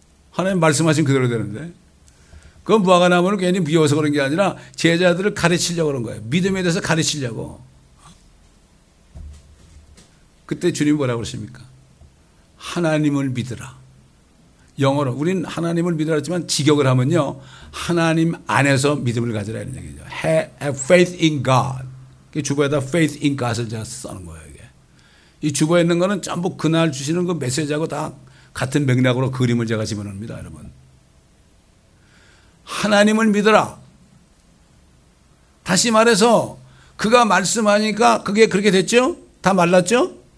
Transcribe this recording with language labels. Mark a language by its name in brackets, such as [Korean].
[Korean] 하나님 말씀하신 그대로 되는데 그 무화과나무를 괜히 미워서 그런 게 아니라 제자들을 가르치려고 그런 거예요. 믿음에 대해서 가르치려고. 그때 주님이 뭐라고 그러십니까? 하나님을 믿으라. 영어로 우리는 하나님을 믿으라 했지만 직역을 하면요. 하나님 안에서 믿음을 가지라 이런 얘기죠. [English] Have faith in God. [Korean] 주보에다 faith in God을 제가 써는 거예요. 이게. 이 주보에 있는 거는 전부 그날 주시는 그 메시지하고 다 같은 맥락으로 그림을 제가 집어넣습니다, 여러분. 하나님을 믿어라. 다시 말해서 그가 말씀하니까 그게 그렇게 됐죠? 다 말랐죠?